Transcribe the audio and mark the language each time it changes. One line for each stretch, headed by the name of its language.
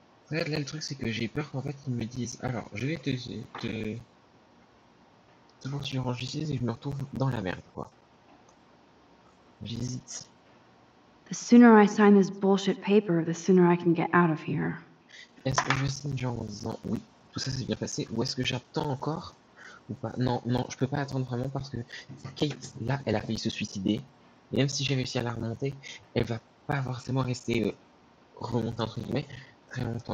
French: Regarde, là, le truc, c'est que j'ai peur qu'en fait, ils me disent... Alors, je vais te voir si je rangis et je me retrouve dans la merde, quoi. J'hésite.
English: The sooner I sign this bullshit paper, the sooner I can get out of here.
French: Est-ce que je signe genre en disant oui, tout ça s'est bien passé, ou est-ce que j'attends encore? Non, je peux pas attendre vraiment parce que Kate, là, elle a failli se suicider. Et même si j'ai réussi à la remonter, elle va pas forcément rester remontée, entre guillemets, très longtemps.